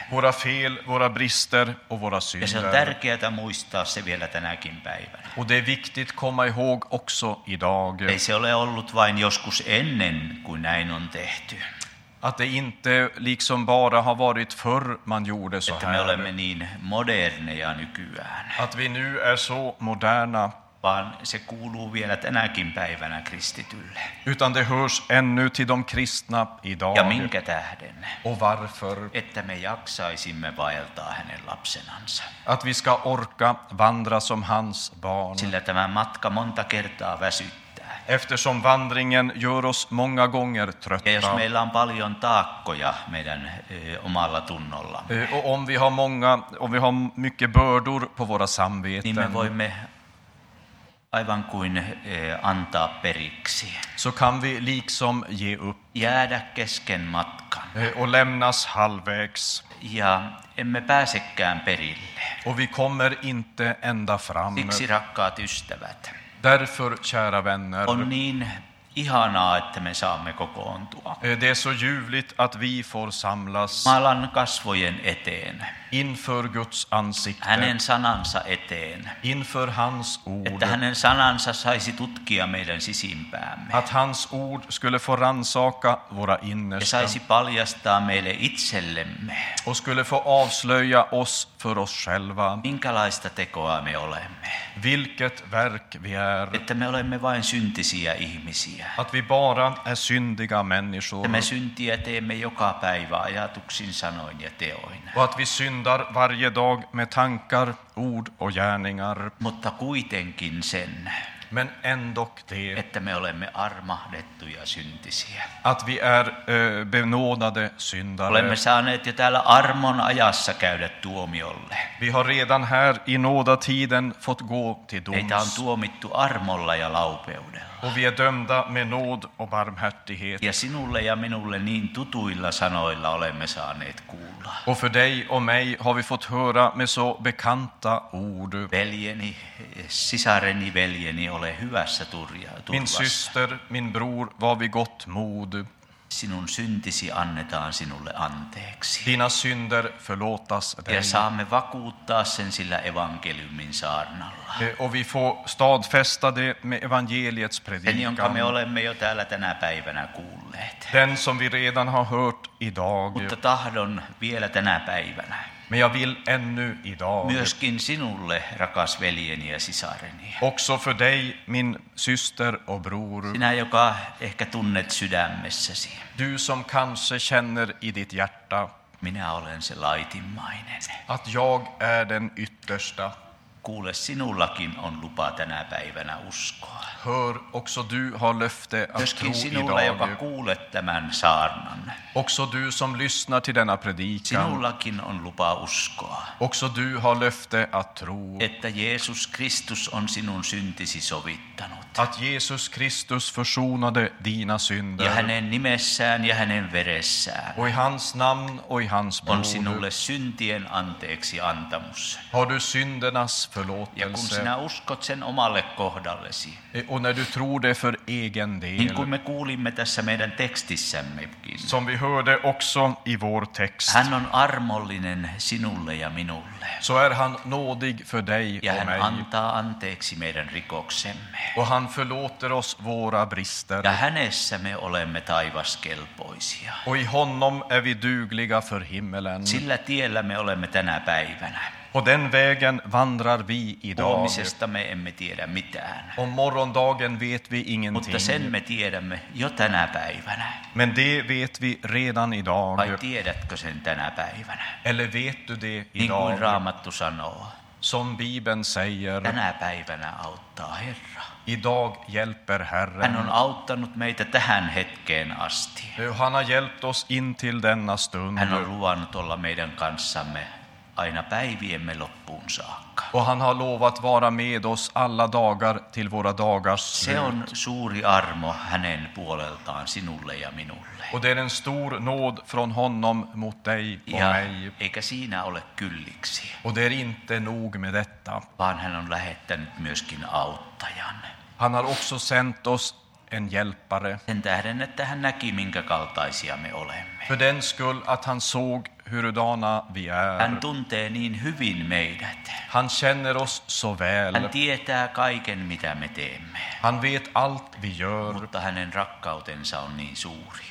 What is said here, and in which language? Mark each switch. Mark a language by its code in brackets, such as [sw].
[sv] Våra fel, våra brister och våra synder. [fi] Ja se on tärkeää muistaa se vielä tänäkin päivänä. [sv] Och det är viktigt komma ihåg också idag. [fi] Ei se ole ollut vain joskus ennen kuin näin on tehty. [sv] Att det inte liksom bara har varit förr man gjorde så här. [fi] Että me olemme niin moderneja nykyään. [sv] Att vi nu är så moderna. [fi] Vaan se kuuluu vielä tänäkin päivänä kristitylle. [sv] Utan det hörs ännu till de kristna idag. [fi] Ja minkä tähden? [sv] Och varför? [fi] Että me jaksaisimme vaeltaa hänen lapsenansa. [sv] Att vi ska orka vandra som hans barn. [fi] Sillä tämä matka monta kertaa väsyttää. [sv] Eftersom vandringen gör oss många gånger trötta. [fi] Ja jos meillä on paljon taakkoja meidän omalla tunnollamme. [sv] Om vi har mycket bördor på våra samveten. [fi] Niin me voimme aivan kuin antaa periksi. [sv] Så kan vi liksom ge upp. [fi] Jäädä kesken matkan. [sv] Och lämnas halvvägs. [fi] Ja emme pääsekään perille. [sv] Och vi kommer inte ända fram. [fi] Siksi rakkaat ystävät. [sv] Därför, kära vänner, [fi] on niin Ihanaa, että me saamme kokoontua. [sv] Det är så ljuvligt att vi får samlas. [fi] Malan kasvojen eteen. [sv] Inför Guds ansikte. [fi] Hänen sanansa eteen. [sv] Inför hans ord. [fi] Että hänen sanansa saisi tutkia meidän sisimpäämme. [sv] Att hans ord skulle få ransaka våra innersta. [fi] Ja saisi paljastaa meille itsellemme. [sv] Och skulle få avslöja oss för oss själva. [fi] Minkälaista tekoa me olemme. [sv] Vilket verk vi är. [fi] Että me olemme vain syntisiä ihmisiä. [sv] Att vi bara är syndiga människor. [fi] Me syntiä teemme joka päivä ajatuksin, sanoin ja teoin. [sv] Och att vi syndar varje dag med tankar, ord och gärningar. [fi] Mutta kuitenkin sen. [sv] Men ändock det. [fi] Että me olemme armahdettuja syntisiä. [sv] Att vi är benådade syndare. [fi] Olemme saaneet jo täällä armon ajassa käydä tuomiolle. [sv] Vi har redan här i nådatiden fått gå till doms. [fi] Meitä on tuomittu armolla ja laupeudella. [sv] Och vi är dömda med nåd och barmhärtighet. [fi] Ja sinulle ja minulle niin tutuilla sanoilla olemme saaneet kuulla. [sv] Och för dig och mig har vi fått höra med så bekanta ord. [fi] Veljeni, sisareni, veljeni, ole hyvässä turvassa. [sv] Min syster, min bror, var vi gott mod. [fi] Sinun syntisi annetaan sinulle anteeksi. [sv] Dina synder förlåtas dig. [fi] Ja saamme vakuuttaa sen sillä evankeliumin saarnalla. [sv] Och vi får stadfästa det med evangeliets predikan. [fi] Den, jonka me olemme jo täällä tänä päivänä kuulleet. [sv] Den som vi redan har hört idag. [fi] Mutta tahdon vielä tänä päivänä. [sv] Men jag vill ännu idag. [fi] Myöskin sinulle, rakas veljeni ja sisareni. [sv] Också för dig, min syster och bror. [fi] Sinä, joka ehkä tunnet sydämessäsi. [sv] Du som kanske känner i ditt hjärta. [fi] Minä olen se laitimmainen. [sv] Att jag är den yttersta. [fi] Kuule, sinullakin on lupa tänä päivänä uskoa. [sv] Hör, också du har löfte att [fi] myöskin [sv] tro [fi] sinulla, [sv] idag. [fi] Joka kuulet tämän saarnan. [sv] Också du som lyssnar till denna predikan. [fi] Sinullakin on lupa uskoa. [sv] Också du har löfte att tro. [fi] Että Jeesus Kristus on sinun syntisi sovittanut. [sv] Att Jesus Kristus försonade dina synder. [fi] Ja hänen nimessään ja hänen veressään. [sv] Och i hans namn och i hans blod. [fi] On sinulle syntien anteeksi antamus. [sv] Har du syndernas förlåtelse. [fi] Ja kun sinä uskot sen omalle kohdallesi. [sv] Och när du tror det för egen del. [fi] Niin kuin me kuulimme tässä meidän tekstissämmekin. [sv] Som vi hörde också i vår text. [fi] Hän on armollinen sinulle ja minulle. [sv] Så är han nådig för dig [fi] ja [sv] och mig. [fi] Ja hän antaa anteeksi meidän rikoksemme. [sv] Och han förlåter oss våra brister. [fi] Ja hänessä me olemme taivaskelpoisia. [sv] Och i honom är vi dugliga för himmelen. [fi] Sillä tiellä me olemme tänä päivänä. [sv] Och den vägen vandrar vi idag. [fi] Huomisesta me emme tiedä mitään. [sv] Om morgondagen vet vi ingenting. [fi] Mutta sen me tiedämme jo tänä päivänä. [sv] Men det vet vi redan idag. [fi] Vai tiedätkö sen tänä päivänä? [sv] Eller vet du det idag? [fi] Niin kuin Raamattu sanoo. [sv] Som Bibeln säger. [fi] Tänä päivänä auttaa Herra. [sv] Idag hjälper Herren. [fi] Hän on auttanut meitä tähän hetkeen asti. [sv] Han har hjälpt oss in till denna stund. [fi] Hän on luvannut olla meidän kanssamme. Aina päiviemme loppuun saakka. [sv] Och han har lovat vara med oss alla dagar till våra dagars slut. [fi] Se on suuri armo hänen puoleltaan sinulle ja minulle. [sv] Och det är en stor nåd från honom mot dig och [fi] ja, [sv] mig. [fi] Eikä siinä ole kylliksi. [sv] Och det är inte nog med detta. [fi] Vaan hän on lähettänyt myöskin auttajan. [sv] Han har också sänt oss en hjälpare. [fi] Sen tähden, että hän näki, minkä kaltaisia me olemme. [sv] För den skull att han såg hurudana vi är. [fi] Hän tuntee niin hyvin meidät. [sv] Han känner oss så väl. [fi] Hän tietää kaiken, mitä me teemme. [sv] Han vet allt vi gör. [fi] Mutta hänen rakkautensa on niin suuri.